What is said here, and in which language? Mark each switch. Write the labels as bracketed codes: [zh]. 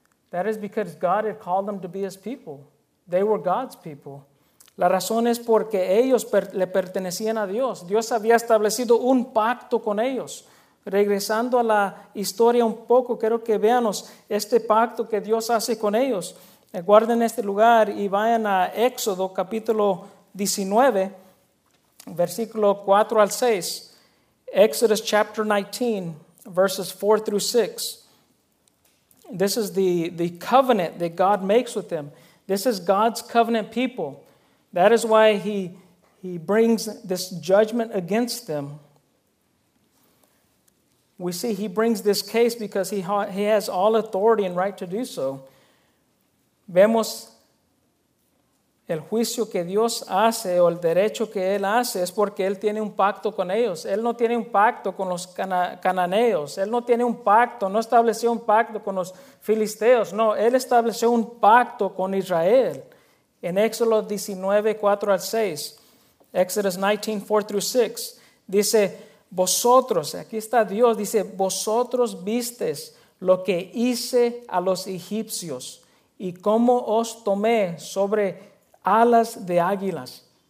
[en] That is because God had called them to be his people. They were God's people. [es] La razón es porque ellos le pertenecían a Dios. Dios había establecido un pacto con ellos. Regresando a la historia un poco, quiero que veamos este pacto que Dios hace con ellos. Guarden este lugar y vayan a Éxodo capítulo 19, versículo 4 al 6. [en] Exodus chapter 19, verses 4 through 6. This is the covenant that God makes with them. This is God's covenant people. That is why he brings this judgment against them. We see he brings this case because he has all authority and right to do so. [es] Vemos el juicio que Dios hace o el derecho que Él hace es porque Él tiene un pacto con ellos. Él no tiene un pacto con los cananeos. Él no tiene un pacto, no estableció un pacto con los filisteos. No, Él estableció un pacto con Israel. En Éxodo 19, 4 al 6, [en] Exodus 19, 4 through 6, [es] dice, vosotros, aquí está Dios, dice, vosotros visteis lo que hice a los egipcios y cómo os tomé sobre alas de águilas.